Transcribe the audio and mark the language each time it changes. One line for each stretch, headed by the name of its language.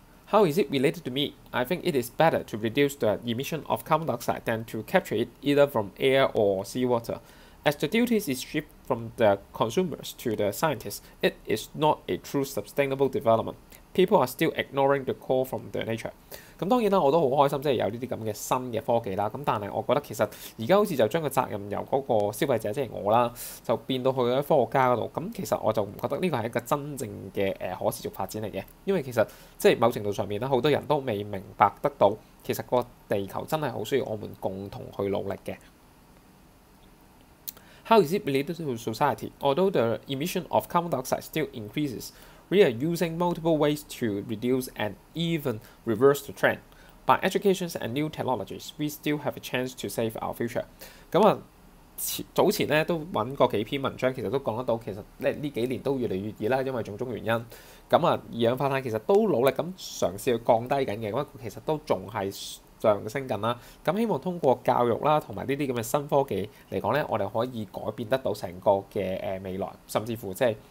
English: How is it related to me? I think it is better to reduce the emission of carbon dioxide than to capture it either from air or seawater. As the duties is shipped from the consumers to the scientists, it is not a true sustainable development. People are still ignoring the call from the nature。
Cantonese: 咁當然啦，我都好開心，即係有呢啲咁嘅新嘅科技啦。咁但係我覺得其實而家好似就將個責任由嗰個消費者，即係我啦，就變到去咗科學家嗰度。咁其實我就唔覺得呢個係一個真正嘅可持續發展嚟嘅，因為其實即係某程度上面咧，好多人都未明白得到，其實個地球真係好需要我們共同去努力嘅。
English: How is it related to society? Although the emission of carbon dioxide still increases. We are using multiple ways to reduce and even reverse the trend. By education and new technologies, we still have a chance to save our future.
Cantonese: 咁啊，早前咧都揾過幾篇文章，其實都講得到，其實呢幾年都越嚟越熱啦，因為種種原因。咁啊，二氧化碳其實都努力咁嘗試去降低緊嘅，咁其實都仲係上升緊啦。咁希望通過教育啦，同埋呢啲咁嘅新科技嚟講咧，我哋可以改變得到成個嘅未來，甚至乎即係。